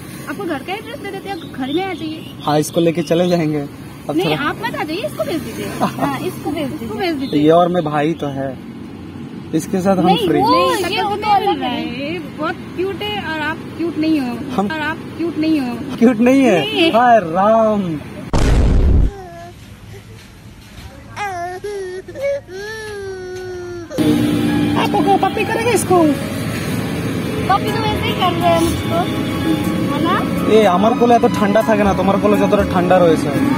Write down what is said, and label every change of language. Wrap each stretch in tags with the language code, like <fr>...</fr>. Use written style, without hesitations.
<hi>আপকো ঘর কা এড্রেস দে দেতে হ্যায়, ঘর মে আ জাইয়ে। হ্যাঁ ইসকো লেকে চলে জায়েঙ্গে। नहीं आप मत आ जाइए, इसको भेज दीजिए, इसको भेज दीजिए, इसको भेज दीजिए। ये और मैं भाई तो है, इसके साथ हम फ्री। नहीं, नहीं, नहीं, ये वो तो अलग है, बहुत क्यूट है। और आप क्यूट नहीं हो, हम और आप क्यूट नहीं हो, क्यूट नहीं है। हाय राम आपको को पप्पी करेंगे इसको? पप्पी तो वैसे ही कर रहे हैं इसको।</hi> <bn>আমার কোলে এত ঠান্ডা থাকে না, তোমার কোলে যতটা ঠান্ডা রয়েছে।</bn>